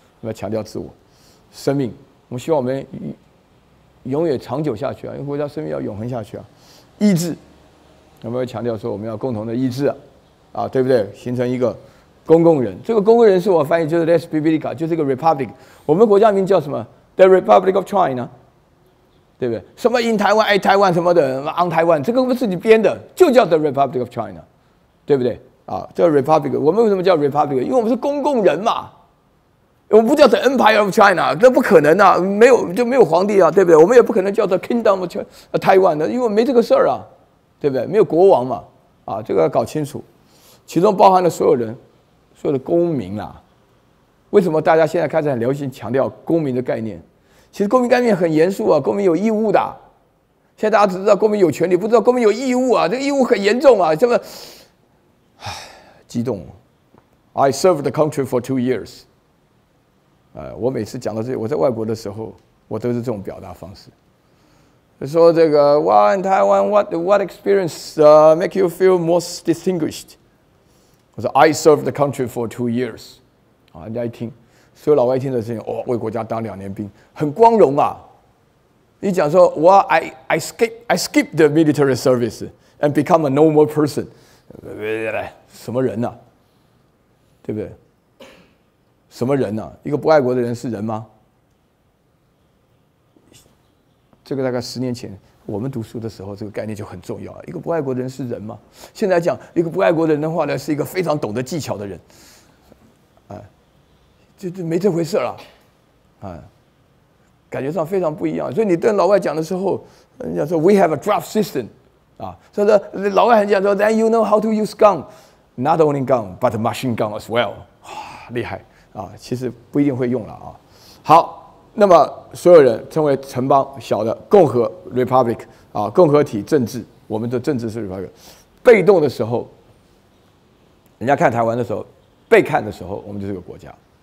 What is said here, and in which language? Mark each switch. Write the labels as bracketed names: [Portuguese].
[Chinese] 我们强调自我，生命，我们希望我们永远长久下去啊，因为国家生命要永恒下去啊。意志，我们要强调说我们要共同的意志啊，对不对？形成一个公共人，这个公共人是我翻译就是 Res Publica， 就是一个 Republic。我们国家名叫什么？ [English] The Republic of China， [Chinese] 对不对？什么 in Taiwan， 爱台湾什么的， on Taiwan， 这个我们自己编的，就叫 The Republic of China， 对不对？啊，叫 Republic。我们为什么叫 Republic？ 因为我们是公共人嘛，我们不叫 The Empire of China， 那不可能啊，没有就没有皇帝啊，对不对？我们也不可能叫 The Kingdom of China， Taiwan 的，因为没这个事儿啊，对不对？没有国王嘛，啊，这个要搞清楚，其中包含了所有人，所有的公民啊。为什么大家现在开始很流行强调公民的概念？其实公民概念很严肃啊，公民有义务的。现在大家只知道公民有权利，不知道公民有义务啊，这个义务很严重啊，这么，唉，激动。 [English] I served the country for 2 years。 [Chinese] 我每次讲到这些，我在外国的时候，我都是这种表达方式。说这个 [English] ，Why in Taiwan? What experience make you feel most distinguished? [Chinese] 我说 [English] ，I served the country for 2 years。 [Chinese] 啊，人家一听，所有老外听的声音，哦，为国家当2年兵，很光荣啊。你讲说 [English] ，Well, I skipped the military service and become a normal person。 [Chinese] 什么人啊？对不对？什么人啊？一个不爱国的人是人吗？这个大概10年前我们读书的时候，这个概念就很重要了。一个不爱国的人是人吗？现在讲一个不爱国的人的话呢，是一个非常懂得技巧的人。哎，这没这回事了。哎，感觉上非常不一样。所以你跟老外讲的时候，人家说 [English] We have a draft system， [Chinese] 啊，所以说老外很讲说 [English] Then you know how to use gun， not only gun but machine gun as well。 [Chinese] 哇，厉害。啊，其实不一定会用了啊。好，那么所有人称为城邦，小的共和 republic 啊，共和体政治，我们的政治是 republic。被动的时候，人家看台湾的时候，被看的时候，我们就是个国家。